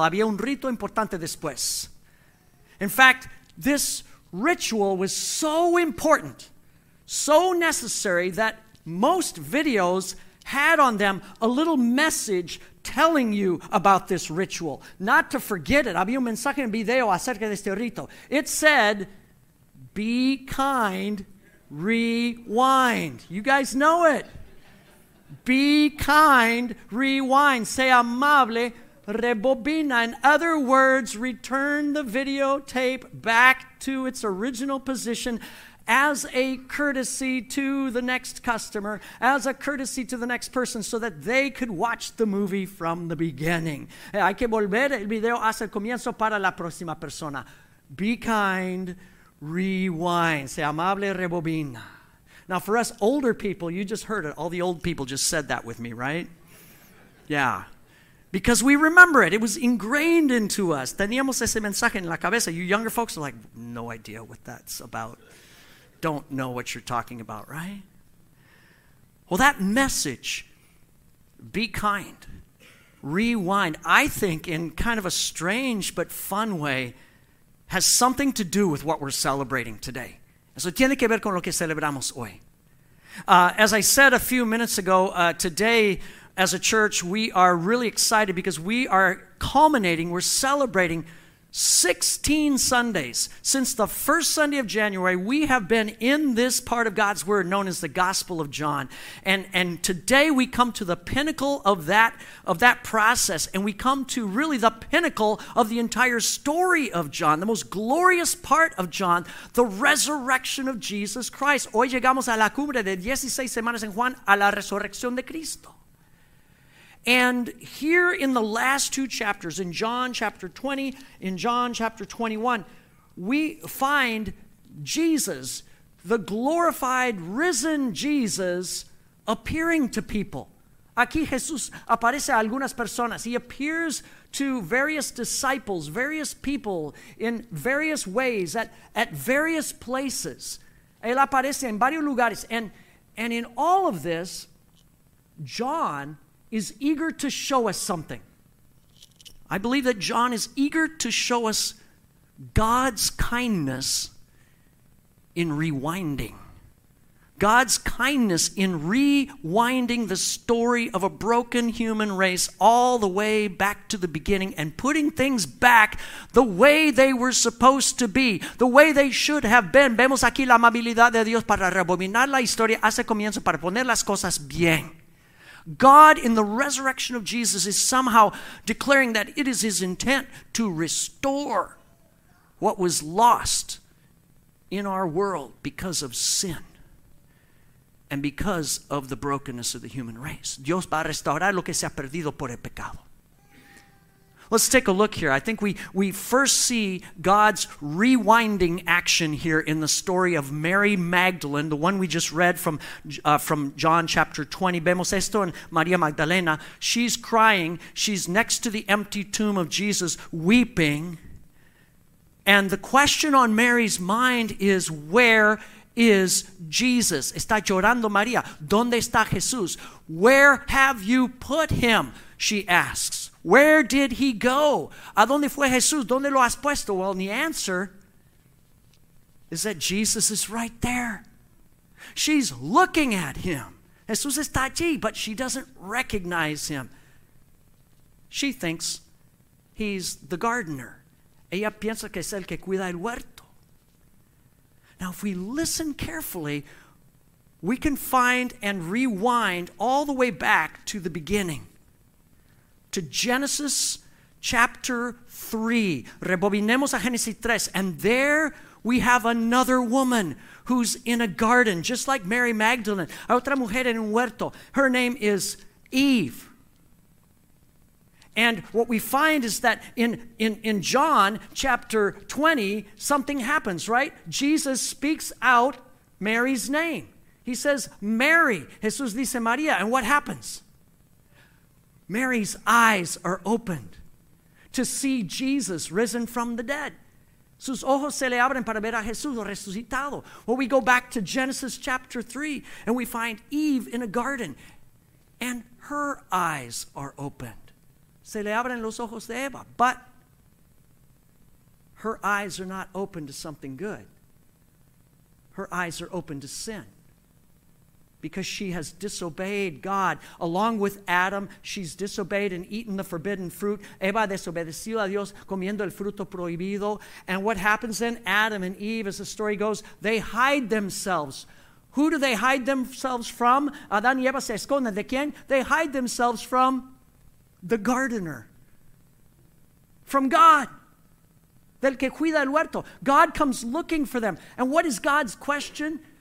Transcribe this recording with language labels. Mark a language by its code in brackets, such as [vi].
[es] Había un rito importante después. [en] In fact, this ritual was so important, so necessary, that most videos had on them a little message telling you about this ritual. Not to forget it. [es] Había un mensaje en video acerca de este rito. [en] It said, be kind, rewind. You guys know it. Be kind, rewind. [es] Sea amable, rebobina. [en] In other words, return the videotape back to its original position as a courtesy to the next customer, as a courtesy to the next person, so that they could watch the movie from the beginning. [es] Hay que volver el video hasta el comienzo para la próxima persona. [en] Be kind, rewind. [es] Sea amable, rebobina. [en] Now, for us older people, you just heard it. All the old people just said that with me, right? Yeah. Because we remember it. It was ingrained into us. [es] Teníamos ese mensaje en la cabeza. [en] You younger folks are like, no idea what that's about. Don't know what you're talking about, right? Well, that message, be kind, rewind, I think in kind of a strange but fun way, has something to do with what we're celebrating today. [es] Eso tiene que ver con lo que celebramos hoy. [en] As I said a few minutes ago, today as a church, we are really excited because we are culminating, we're celebrating 16 Sundays. Since the first Sunday of January, we have been in this part of God's Word known as the Gospel of John. And today we come to the pinnacle of that process, and we come to really the pinnacle of the entire story of John, the most glorious part of John, the resurrection of Jesus Christ. [es] Hoy llegamos a la cumbre de 16 semanas en Juan, a la resurrección de Cristo. [en] And here in the last two chapters, in John chapter 20, in John chapter 21, we find Jesus, the glorified, risen Jesus, appearing to people. [es] Aquí Jesús aparece a algunas personas. [en] He appears to various disciples, various people, in various ways, at various places. [es] Él aparece en varios lugares. [en] And in all of this, John is eager to show us something. I believe that John is eager to show us God's kindness in rewinding. God's kindness in rewinding the story of a broken human race all the way back to the beginning and putting things back the way they were supposed to be, the way they should have been. [es] Vemos aquí la amabilidad de Dios para rebobinar la historia hasta el comienzo para poner las cosas bien. [en] God, in the resurrection of Jesus, is somehow declaring that it is his intent to restore what was lost in our world because of sin and because of the brokenness of the human race. [es] Dios va a restaurar lo que se ha perdido por el pecado. [en] Let's take a look here. I think we first see God's rewinding action here in the story of Mary Magdalene, the one we just read from John chapter 20. [es] Vemos esto en María Magdalena. [en] She's crying. She's next to the empty tomb of Jesus, weeping. And the question on Mary's mind is, where is Jesus? [es] Está llorando María. ¿Dónde está Jesús? [en] Where have you put him? She asks. Where did he go? [es] ¿A dónde fue Jesús? ¿Dónde lo has puesto? [en] Well, the answer is that Jesus is right there. She's looking at him. [es] Jesús está allí, [en] but she doesn't recognize him. She thinks he's the gardener. [es] Ella piensa que es el que cuida el huerto. [en] Now, if we listen carefully, we can find and rewind all the way back to the beginning. To Genesis chapter 3. [es] Rebobinemos a Génesis 3. [en] And there we have another woman who's in a garden, just like Mary Magdalene. [es] Hay otra mujer en un huerto. [en] Her name is Eve. And what we find is that in John chapter 20, something happens, right? Jesus speaks out Mary's name. He says, Mary. [es] Jesús dice, María. [en] And what happens? Mary's eyes are opened to see Jesus risen from the dead. [es] Sus ojos se le abren para ver a Jesús resucitado. [en] Well, we go back to Genesis chapter 3, and we find Eve in a garden, and her eyes are opened. [es] Se le abren los ojos de Eva, [en] but her eyes are not open to something good. Her eyes are open to sin. Because she has disobeyed God. Along with Adam, she's disobeyed and eaten the forbidden fruit. [es] Eva desobedeció a Dios comiendo el fruto prohibido. [en] And what happens then? Adam and Eve, as the story goes, they hide themselves. Who do they hide themselves from? [es] Adán y Eva se esconden. ¿De quién? [en] They hide themselves from the gardener. From God. [es] Del que cuida el huerto. [en] God comes looking for them. And what is God's question?